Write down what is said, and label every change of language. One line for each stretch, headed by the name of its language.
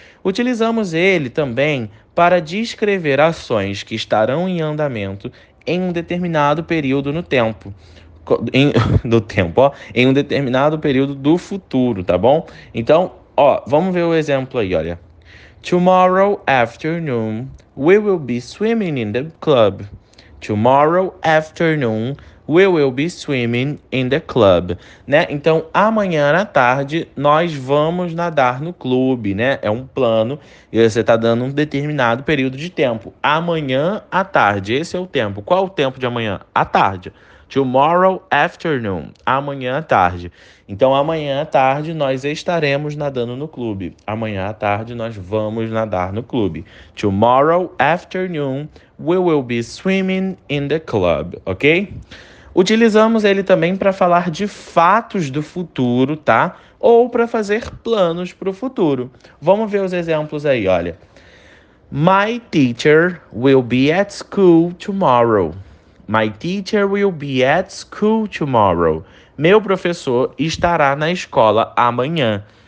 Portuguese: Utilizamos ele também para descrever ações que estarão em andamento em um determinado período no tempo. Do tempo, ó. Em um determinado período do futuro, tá bom? Então, ó, vamos ver o exemplo aí, olha.
English: Tomorrow afternoon, we will be swimming in the club. Tomorrow afternoon, we will be swimming in the club, né?
Portuguese: Então, amanhã à tarde, nós vamos nadar no clube, né? É um plano e você está dando um determinado período de tempo. Amanhã à tarde, esse é o tempo. Qual o tempo de amanhã? À tarde.
English: Tomorrow afternoon,
Portuguese: amanhã à tarde. Então, amanhã à tarde, nós estaremos nadando no clube. Amanhã à tarde, nós vamos nadar no clube.
English: Tomorrow afternoon, we will be swimming in the club, ok?
Portuguese: Utilizamos ele também para falar de fatos do futuro, tá? Ou para fazer planos para o futuro. Vamos ver os exemplos aí, olha.
English: My teacher will be at school tomorrow. My teacher will be at school tomorrow.
Portuguese: Meu professor estará na escola amanhã.